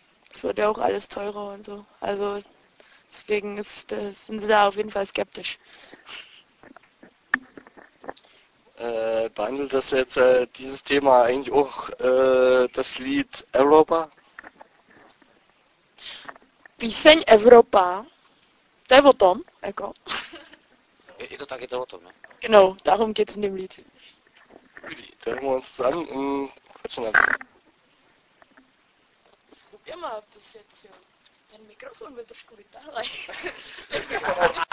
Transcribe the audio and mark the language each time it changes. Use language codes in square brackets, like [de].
[de] Es wird ja auch alles teurer und so. Also deswegen sind sie da auf jeden Fall skeptisch. Behandelt das jetzt dieses Thema eigentlich auch das Lied Europa? [cs] Píseň Evropa, to je o tom, jako. Je to tak, je to o tom, ne? [de] Genau, darum geht es in dem Lied. Da hören wir uns das an. Quatschen dann. Probier mal, ob das jetzt hier... Dein Mikrofon wird doch schon wieder da rein.